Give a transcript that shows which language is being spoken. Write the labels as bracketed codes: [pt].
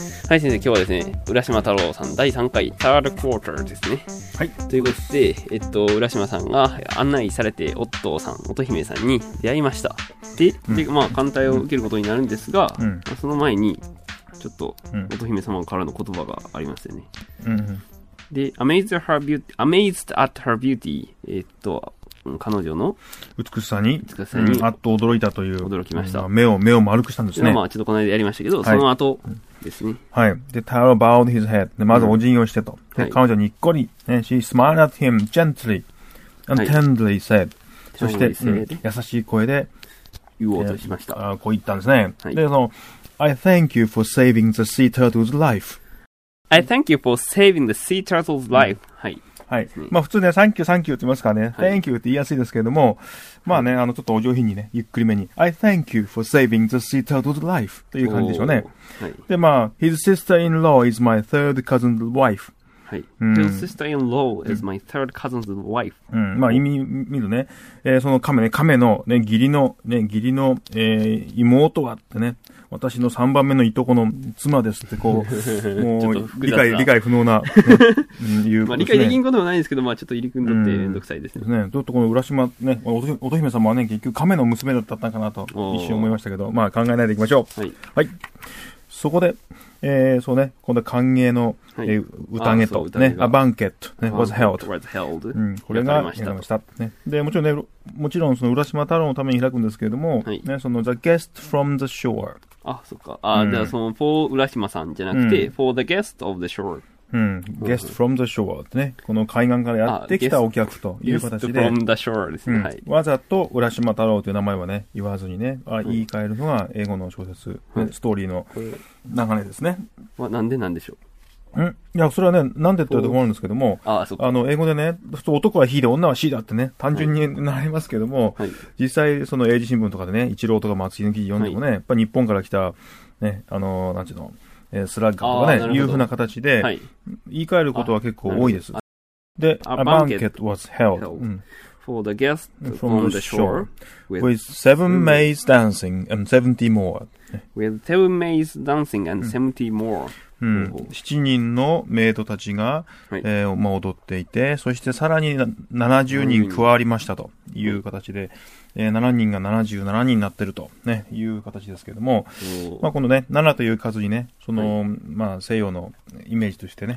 [ja] はい先生、今日はですね、浦島太郎さん第3回 [en] third quarter [ja] ですね。はい、ということで浦島さんが案内されてオットーさん乙姫さんに出会いました。で、まあ歓待を受けることになるんですが、その前にちょっと乙姫様からの言葉がありますよね。 [en] で、amazed at her beauty、 [ja] 彼女の美しさに、あっと驚いたという。驚きました。目を丸くしたんですね。まあ、ちょっとこの間やりましたけど、はい、その後ですね。 [en] はい。で、Taro bowed his head. [ja] で、まずお辞儀をしてと。で、彼女はにっこり、ね、 [en] she smiled at him gently and tenderly said.、 [ja] はい、そして、優しい声で、言おうとしました。こう言ったんですね。 [en] はい、で、I thank you for saving the sea turtle's life. I thank you for saving the sea turtle's life.、うん、はい。 [ja] はい。まあ普通ね、サンキュー、サンキューって言いますからね、はい、thank you って言いやすいですけれども、まあね、ちょっとお上品にね、ゆっくりめに、 [en] I thank you for saving the sea turtle's life [ja] という感じでしょうね。はい、 [en] で、まあ、his sister-in-law is my third cousin's wife. [ja] はい。 [en] his sister-in-law is my third cousin's wife.、 [ja] うん、まあ意味見るね、その亀ね、亀のね、義理の、ね、義理の、妹はってね、私の3番目のいとこの妻ですってこうもう理解不能な、ね、言うことですね。まあ理解できんこともないんですけど、まあちょっと入り組んだってめんどくさいですね。うん、ですね。ちょっとこの浦島ね、乙姫様はね、結局亀の娘だったかなと一瞬思いましたけど、まあ考えないでいきましょう。はい。はい、そこで、そうね、今度は歓迎の、宴とね、アバンケット、ね、 [en] was held。 [ja] これが開かれました。ね、でもちろんね、もちろんその浦島太郎のために開くんですけれども、はい、 [en] ね、その the guest from the shore。 [ja] あ、そっか。あ、うん、じゃあ、その、for 浦島さんじゃなくて、 [en] for the guest of the shore。 [ja] うん。 [en] guest from the shore [ja] ってね。この海岸からやってきたお客という形で。 [en] guest from the shore ですね、 [ja] うん。わざと浦島太郎という名前はね、言わずにね、言い換えるのが英語の小説、ストーリーの流れですね。まあ、なんでなんでしょう。うん、いや、それはね、なんでって言うと困るんですけども、英語でね、普通男は he で女は she だってね、単純に習いますけども、はい、実際、その英字新聞とかでね、一郎とか松井の記事読んでもね、はい、やっぱ日本から来た、ね、なんちゅうの、スラッガーとかね、いうふうな形で、はい、言い換えることは結構多いです。 [en] で、a banquet was held for the guests from the shore with seven maids dancing and 70 more. With seven maids dancing and 70 more. [ja] うん、7人のメイドたちが、はい、まあ、踊っていて、そしてさらに70人加わりましたという形で、7人が77人になっているという形ですけれども、まあ、このね、7という数にね、その、はい、まあ、西洋のイメージとしてね、